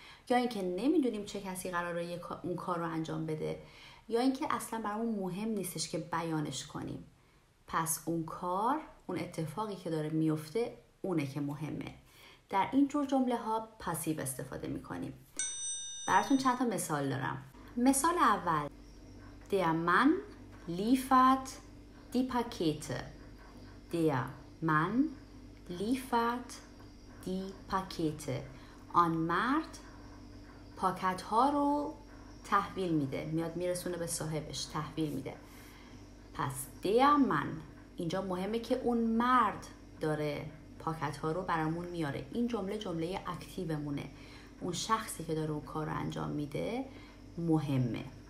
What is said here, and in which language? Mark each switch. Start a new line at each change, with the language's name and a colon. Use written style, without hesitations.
Persian: یا اینکه نمیدونیم چه کسی قراره اون کار رو انجام بده، یا اینکه اصلا برامون مهم نیستش که بیانش کنیم، پس اون کار، اون اتفاقی که داره میفته، اونه که مهمه. در این جور جمله ها پاسیو استفاده میکنیم. براتون چند تا مثال دارم.
German: مثال اول: Der Mann liefert die Pakete. Der Mann liefert die Pakete.
Persian: آن مرد پاکت ها رو تحویل میده. میاد میرسونه به صاحبش، تحویل میده. پس Der Mann، اینجا مهمه که اون مرد داره پاکت ها رو برامون میاره. این جمله جمله اکتیومونه. اون شخصی که داره اون کار رو انجام میده مهمه.